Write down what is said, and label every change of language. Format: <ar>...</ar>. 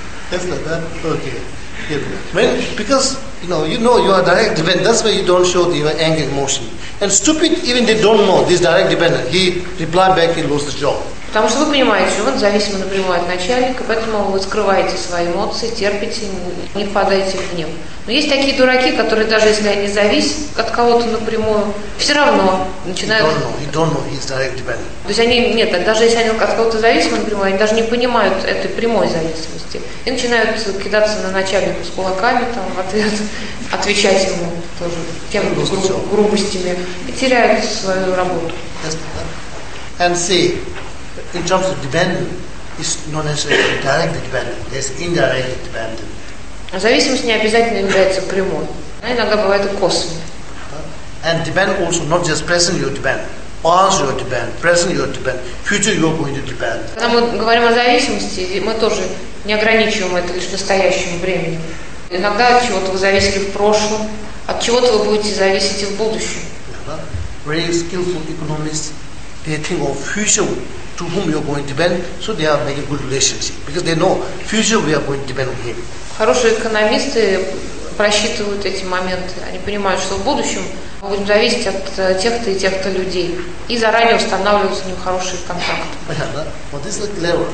<en>Yes, no, no? Okay. Yeah. When, because you know you are direct dependent, that's why you don't show your anger emotion. And stupid, even they don't know this direct dependent. He reply back, he lose the job.</en> <ru>Потому что вы понимаете, что он зависим напрямую от начальника, поэтому вы скрываете свои эмоции, терпите, не впадаете в гнев. Но есть такие дураки, которые даже если они зависят от кого-то напрямую, все равно начинают...</ru> <en>He don't know he's direct dependent.</en> <ru>То есть они, нет, даже если они от кого-то зависимы напрямую, они даже не понимают этой прямой зависимости. И начинают кидаться на начальника с кулаками, там, в ответ, отвечать ему тоже тем грубостями и теряют свою работу.</ru> <en>And see, in terms of dependent, it's not necessarily directly dependent, there's indirect dependent.</en> <ru>Зависимость не обязательно является прямой. Она иногда бывает и косвенной.</ru> <en>And depend also not just present your depend, past your depend, present your depend, future you're going to depend.</en> <ru>Когда мы говорим о зависимости, мы тоже не ограничиваем это лишь настоящим временем. Иногда от чего-то вы зависели в прошлом, от чего-то вы будете зависеть и в будущем.</ru> <en>Very skillful economists, they think of future to whom you're going to depend, so they are making good relationship because they know future we are going to depend on him.</en> <ru>Хорошие экономисты просчитывают эти моменты. Они понимают, что в будущем мы будем зависеть от тех-то и тех-то людей. И заранее устанавливают с ним хорошие контакты.</ru>